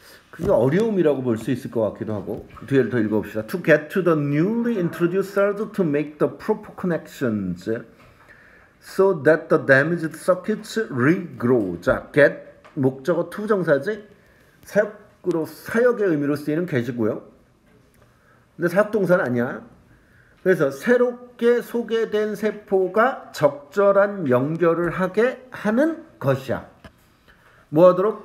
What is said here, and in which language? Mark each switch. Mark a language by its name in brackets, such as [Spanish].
[Korean] 그게 어려움이라고 볼수 있을 것 같기도 하고, 뒤에를 더 읽어봅시다. [English] To get to the newly introduced cells to make the proper connections so that the damaged circuits regrow. [Korean] 자, get, 목적어 to 정사지? 사역으로, 사역의 의미로 쓰이는 get이고요. 근데 사역동사는 아니야. 그래서 새롭게 소개된 세포가 적절한 연결을 하게 하는 것이야. 뭐 하도록?